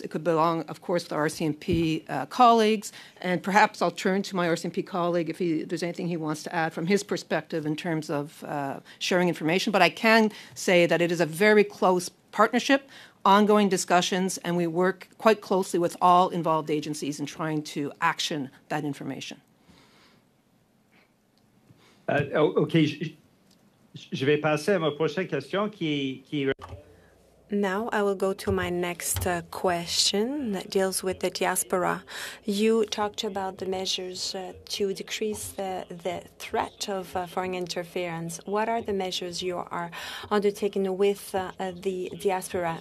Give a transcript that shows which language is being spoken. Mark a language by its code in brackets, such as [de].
[en] It could belong, of course, to RCMP colleagues. And perhaps I'll turn to my RCMP colleague if there's anything he wants to add from his perspective in terms of sharing information. But I can say that it is a very close partnership, ongoing discussions, and we work quite closely with all involved agencies in trying to action that information. Okay. [fr] Je vais passer à ma prochaine question qui... [en] Now I will go to my next question that deals with the diaspora. You talked about the measures to decrease the threat of foreign interference. What are the measures you are undertaking with the diaspora?